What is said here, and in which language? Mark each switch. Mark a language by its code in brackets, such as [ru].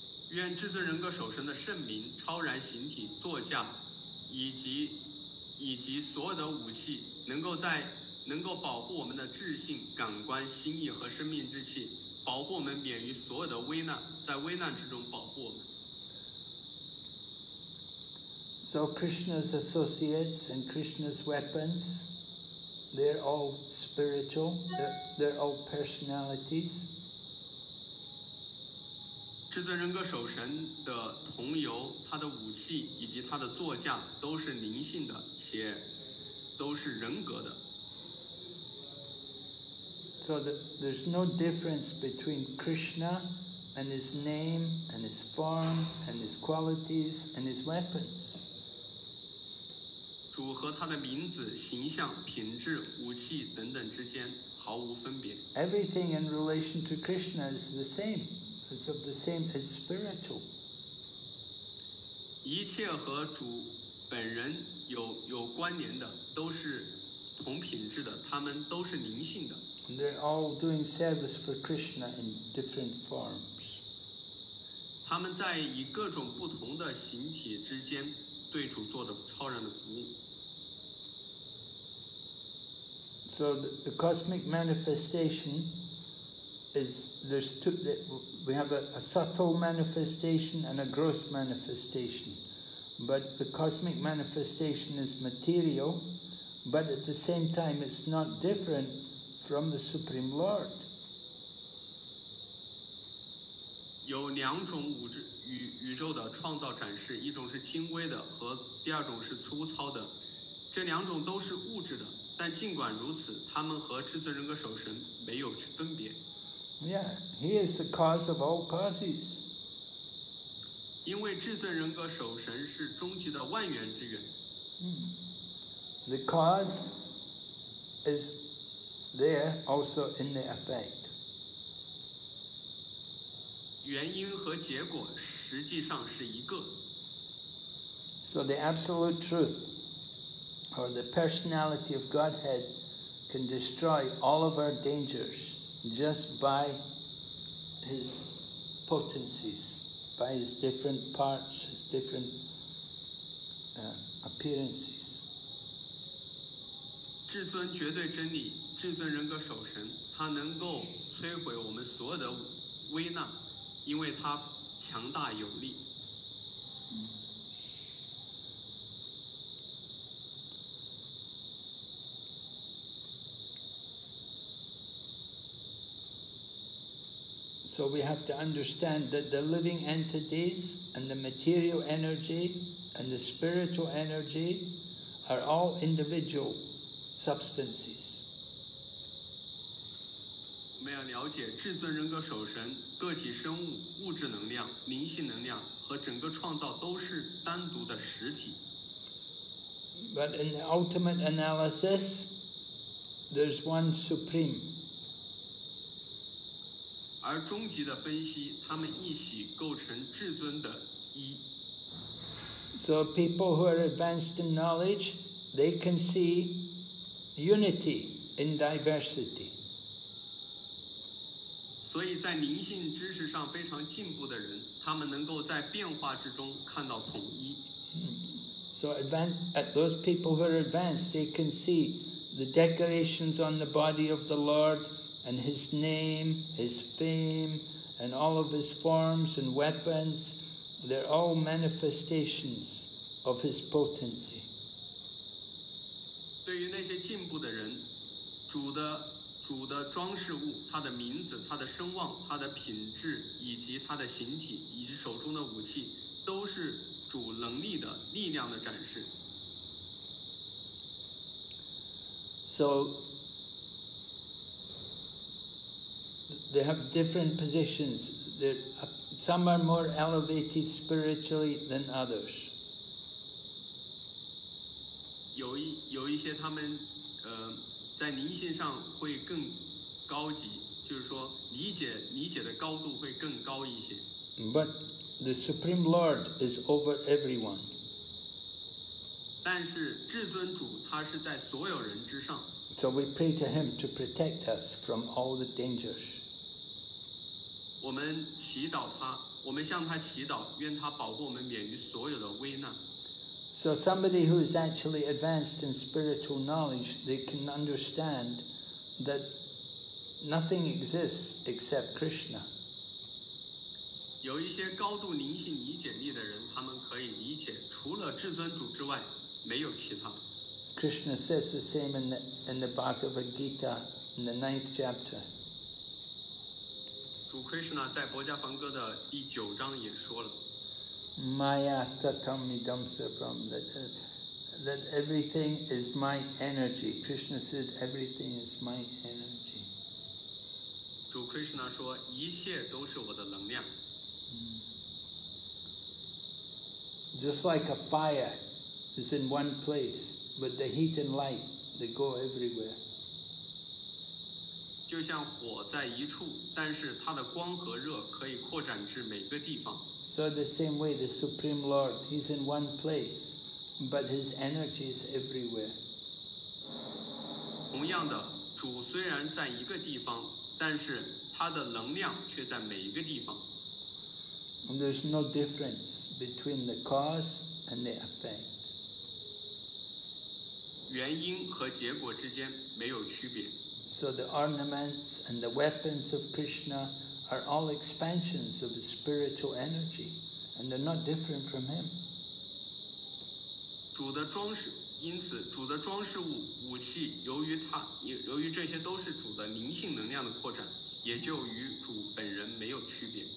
[zh] 愿至尊人格守神的圣名、超然形体、座驾，以及所有的武器，能够保护我们的智性、感官、心意和生命之气，保护我们免于所有的危难，在危难之中保护我们。 [en] So Krishna's associates and Krishna's weapons, they're all spiritual. They're all personalities. [zh] 至尊人格守神的同游，他的武器以及他的座驾都是灵性的，且都是人格的。 [en] So there's no difference between Krishna and his name and his form and his qualities and his weapons. [zh] 主和他的名字、形象、品质、武器等等之间毫无分别。 [en] Everything in relation to Krishna is the same. It's of the same as spiritual. [zh] 一切和主本人有关联的都是同品质的，他们都是灵性的。 [en] They're all doing service for Krishna in different forms. [zh] 他们在以各种不同的形体之间对主做的超然的服务。 [en] So the cosmic manifestation is there's two that. We have a subtle manifestation and a gross manifestation. But the cosmic manifestation is material, but at the same time it's not different from the Supreme Lord. [zh] 有两种宇宙的创造展示，一种是精微的和第二种是粗糙的。这两种都是物质的，但尽管如此，它们和至尊人格守神没有分别。 [en] Yeah, he is the cause of all causes. [zh] 因为至尊人格守神是终极的万源之源。 [en] The cause is there also in the effect. [zh] 原因和结果实际上是一个。 [en] So the absolute truth or the personality of Godhead can destroy all of our dangers. Just by his potencies, by his different parts, his different appearances. [zh] 至尊绝对真理，至尊人格守神，他能够摧毁我们所有的危难，因为他强大有力。 [en] So we have to understand that the living entities and the material energy and the spiritual energy are all individual substances. [zh] 我们要了解至尊人格守神，个体生物、物质能量、灵性能量和整个创造都是单独的实体。 [en] But in the ultimate analysis, there's one supreme. [zh] 而终极的分析，他们一起构成至尊的一。 [en] So people who are advanced in knowledge, they can see unity in diversity. [zh] 所以在灵性知识上非常进步的人，他们能够在变化之中看到统一。 [en] So advanced, those people who are advanced, they can see the decorations on the body of the Lord. And his name, his fame, and all of his forms and weapons, they're all manifestations of his potency. [zh] 对于那些进步的人，主的装饰物，他的名字，他的声望，他的品质，以及他的形体，以及手中的武器，都是主能力的力量的展示。 [en] So,They have different positions. Some are more elevated spiritually than others. [zh] 有一些他们在灵性上会更高级，就是说理解的高度会更高一些。 [en] But the Supreme Lord is over everyone. [zh] 但是至尊主他是在所有人之上。 [en] So we pray to him to protect us from all the dangers. [zh] 我们祈祷他，我们向他祈祷，愿他保护我们免于所有的危难。 [en] So somebody who is actually advanced in spiritual knowledge, they can understand that nothing exists except Krishna. [zh] 有一些高度灵性理解力的人，他们可以理解，除了至尊主之外，没有其他。 [en] Krishna says the same in the Bhagavad Gita in the 9th chapter. [zh] 主 Krishna 在博迦梵歌的第九章也说了。 [sa] Maya tatam idam sarvam, [en] that everything is my energy. Krishna said, everything is my energy. [zh] 主 Krishna 说，一切都是我的能量。 [en] Just like a fire is in one place, but the heat and light, they go everywhere. [zh] 就像火在一处，但是它的光和热可以扩展至每个地方。 [en] So the same way, the Supreme Lord, He's in one place, but His energy is everywhere. [zh] 同样的，主虽然在一个地方，但是他的能量却在每一个地方。 [en] And there's no difference between the cause and the effect. [zh] 原因和结果之间没有区别。 [en] So the ornaments and the weapons of Krishna are all expansions of his spiritual energy, and they're not different from him. [zh] 主的装饰，因此主的装饰物、武器，由于这些都是主的灵性能量的扩展，也就与主本人没有区别。